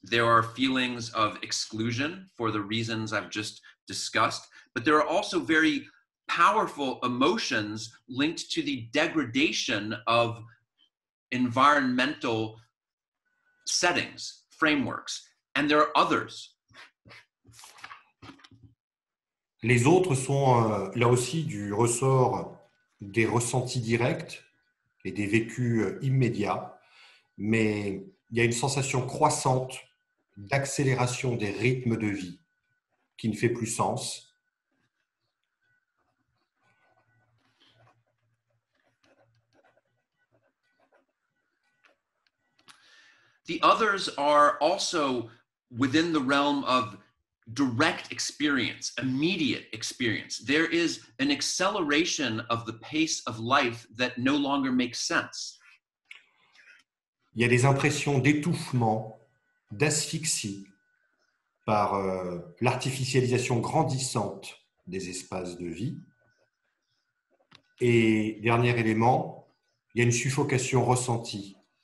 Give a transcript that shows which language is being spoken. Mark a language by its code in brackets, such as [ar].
[en] There are feelings of exclusion for the reasons I've just discussed, but there are also very powerful emotions linked to the degradation of environmental settings, frameworks, and there are others. [fr] Les autres sont là aussi du ressort des ressentis directs et des vécus immédiats, mais il y a une sensation croissante d'accélération des rythmes de vie qui ne fait plus sens. [en] The others are also within the realm of direct experience, immediate experience. There is an acceleration of the pace of life that no longer makes sense. [fr] Il y a des impressions d'étouffement, d'asphyxie par l'artificialisation grandissante des espaces de vie. Et dernier élément, il y a une suffocation ressentie.